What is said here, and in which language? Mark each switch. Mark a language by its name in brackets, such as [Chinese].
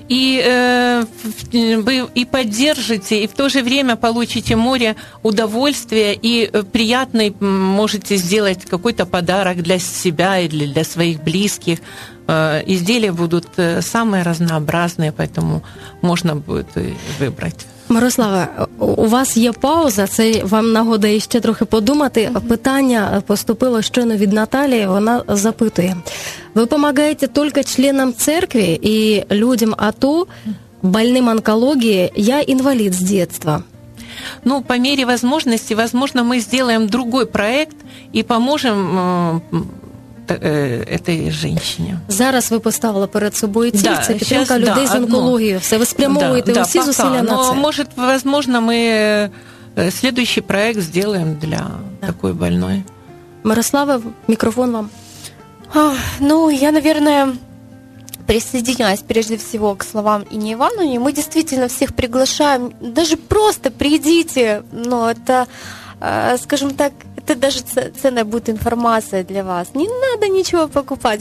[Russian] И вы и поддержите, и в то же время получите море удовольствия и приятный, можете сделать какой-то подарок для себя и для своих близких. Изделия будут самые разнообразные, поэтому можно будет выбрать. [Ukrainian] Мирослава, у вас є пауза, це вам нагода ще трохи подумати. Питання поступило щойно від Наталії, вона запитує. Ви допомагаєте тільки членам церкви і людям АТО, больним онкології, я інвалід з дитинства. [Russian] Ну, по мере возможности, возможно, [Ukrainian] ми зробимо [Russian] другой проект і поможемо этой женщине. [Ukrainian] Зараз ви поставили перед собою ціль, да, це підтримка сейчас, людей, да, з онкологією. Все, ви спрямовуєте, да, усі, [Russian] да, [Ukrainian] зусилля [Russian] пока, [Ukrainian] на це. Може, возможно, ми следующий проект зробимо для, да, такої больної. Мирослава, мікрофон вам. [Russian] Ну, я, наверное, присоединяюсь прежде всего к словам Инне Ивановне. Мы действительно всех приглашаем, даже просто придите, но это, скажем так, это даже ценная будет информация для вас. Не надо ничего покупать.